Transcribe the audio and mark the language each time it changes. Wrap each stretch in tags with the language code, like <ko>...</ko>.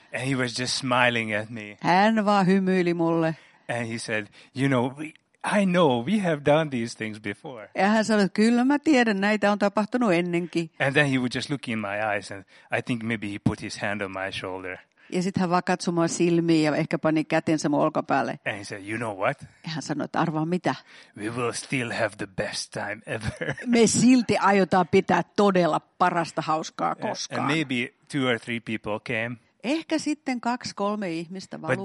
<en>And he was just smiling at me.</en> <fi>Hän vaan hymyili mulle.</fi> <en>And he said, "You know, I know we have done these things before."</en> <fi>Ja hän sanoi, kyllä mä tiedän, näitä on tapahtunut ennenkin.</fi> <en>And then he would just look in my eyes and I think maybe he put his hand on my shoulder.</en> <fi>Ja sitten hän vaan katsoi mua silmiin ja ehkä pani kätensä mun olkapäälle.</fi> <en>And he said, "You know what?"</en> <fi>Ja hän sanoi, että arvaa mitä.</fi> <en>"We will still have the best time ever."</en> <fi>Me silti aiotaan pitää todella parasta hauskaa koskaan.</fi> <en>And maybe two or three people came.</en> <fi>Ehkä sitten 2-3 ihmistä valuu</fi>